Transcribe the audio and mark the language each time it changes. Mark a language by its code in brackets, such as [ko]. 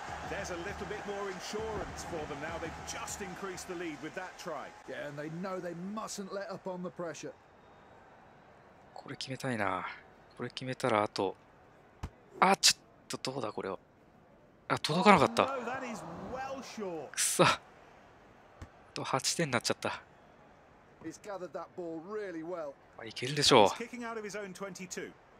[en] There's a little bit more insurance for them now. They've just increased the lead with that try. Yeah, and they know they mustn't let up on the pressure. [ja] これ決めたいな。これ決めたらあと、あ、ちょっとどうだこれを。あ、届かなかった。 [en] Oh, no, that is well short. [ja] くそ。あと8点になっちゃった。 [en] He's gathered that ball really well. [ja] まあいけるでしょう。 [en] He's kicking out of his own 22.